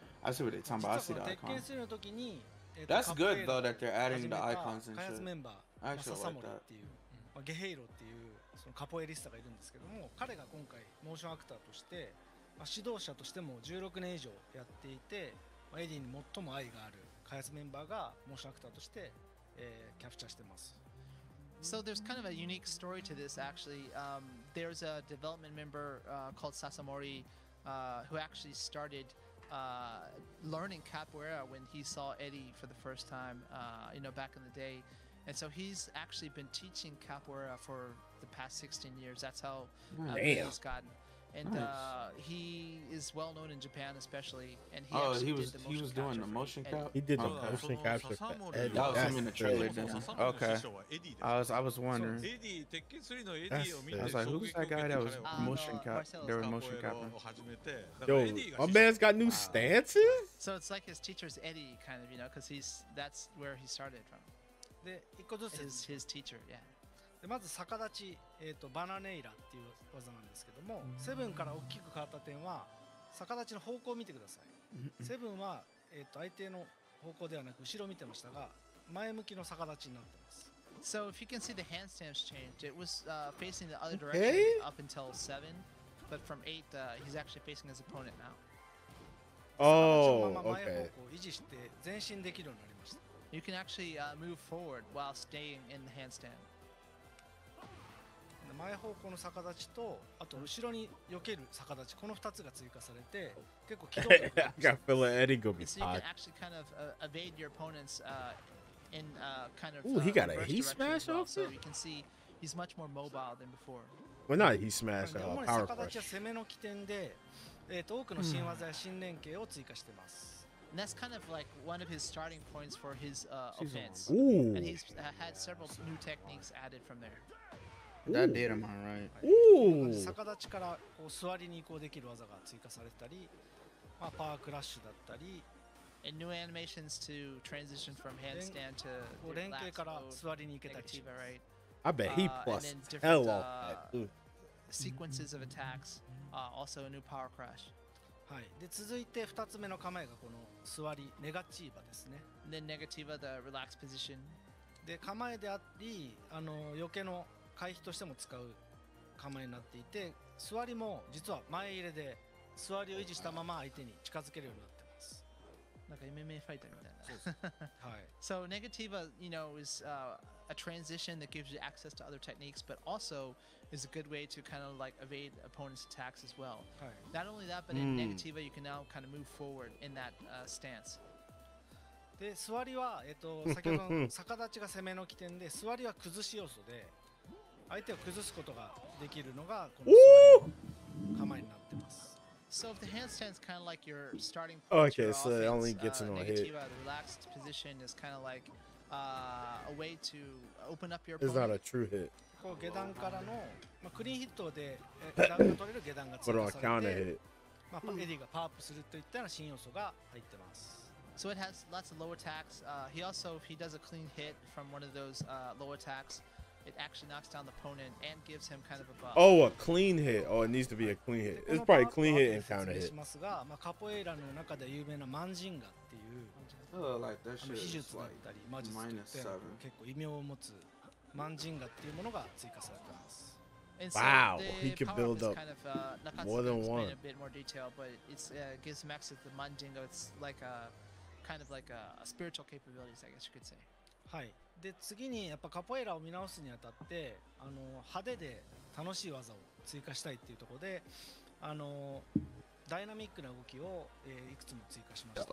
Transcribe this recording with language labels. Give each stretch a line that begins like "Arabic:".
English: I see what they're talking about. I see the icon. That's good though that they're adding the icons and shit. I actually like that.
Japanese: ゲヘイロっていうそのカポエリスタがいるんですけども、彼が今回モーションアクターとして、まあ、指導者としても16年以上やっていて、まあ、エディに最も愛がある開発メンバーがモーションアクターとして、キャプチャーしてます。
English: So there's kind of a unique story to this actually. There's a development member called Sasamori who actually started learning capoeira when he saw Eddy for the first time, you know, back in the day. And so he's actually been teaching capoeira for the past 16 years. That's how he's gotten. And nice. He is well known in Japan, especially. And he actually he was, did the motion he was doing the motion capture. He did the motion capture. That was him in the trailer. Yeah. Okay. I was wondering. I was like, who's that guy that was motion cap? They were motion capping. Yo, my man's got new stances? So it's like his teacher's Eddy, kind of, you know, because that's where he started from.
Japanese: で一個ずつ
English: is his teacher, yeah.
Japanese: でまず逆立ち、バナネイラっていう技なんですけども、セブンから大きく変わった点は逆立ちの方向を見てください。セブンは、相手の方向ではなく後ろを見てましたが、前向きの逆立ちになってます。
English: So if you can see the handstands change, it was facing the other direction up until seven, but from eight, he's actually facing his opponent now. Oh, okay.
Japanese: 前方向を維持して前進できるようになりました。
English: You can actually move forward while staying in the handstand.
Japanese: 前方向の逆立ちと、あと後ろに避ける逆立ち、この2つが追加されて、結構機動力が増えます。Eddy
English: Gordo. So you can actually kind of evade your opponent's in kind of. Ooh, he got a heat smash off. So you can see he's much more mobile than before. Well, not heat smash, power
Japanese: 主に逆立ちは攻めの起点で、多くの新技や新連携を追加しています。
English: And that's kind of like one of his starting points for his offense. Ooh. And he's had several new techniques added from there. That did him all right. Ooh.
Japanese: 逆立ちからこう座りに移行できる技が追加されたり、まあ、パワークラッシュだったり。
English: And new animations to transition from handstand to the last
Japanese: 連携から座りに行けたり。
English: Right? I bet he plus hell off that. Sequences of attacks, also a new power crash.
Japanese: はい、で続いて2つ目の構えがこの座りネガチーバですね。で、ネガチーバ、
English: the relaxed position。
Japanese: で、構えであり、余計の回避としても使う構えになっていて、座りも実は前入れで座りを維持したまま相手に近づけるようになってます。なんか MMA ファイターみたいな。そうです。はい。
English: So, negativa, you know, is a transition that gives you access to other techniques, but also. Is a good way to kind of like evade opponent's attacks as well. Not only that, but in negativa, you can now kind of move forward in that stance.
Japanese: で、座りは、先ほどの逆立ちが攻めの起点で、座りは崩し要素で、相手を崩すことができるのがこの座りの構えになってます。
English: So if the handstand is kind of like your starting point, okay, your offense, so it only gets no hit. Negativa, the relaxed position is kind of like a way to open up your opponent. It's not a true hit.
Japanese: こう下段からの、まあ、クリーンヒットで下段が取れる下段が追加されて、
English: but on counter hit.
Japanese: まあ、エディがパワーアップするといったような新要素が入ってます。
English: So it has lots of low attacks. He also, if he does a clean hit from one of those low attacks, it actually knocks down the opponent and gives him kind of a buff. Oh, a clean hit. Oh, it needs to be a clean hit. It's probably a clean hit and counter hit.
Japanese: まあ、カポエイラの中で有名なマンジンガっていう、秘術だったり、マジスって結構異名を持つ。マンジンガっていうものが追加されてます。
English: Wow! He can build up more than one. A bit more detail, but it gives Max the Manjinga. It's like a kind of like a spiritual capabilities, I guess you could say.
Japanese: はい。で次にやっぱカポエラを見直すにあたって、派手で楽しい技を追加したいっていうところで、ダイナミックな動きを、いくつも追加しました。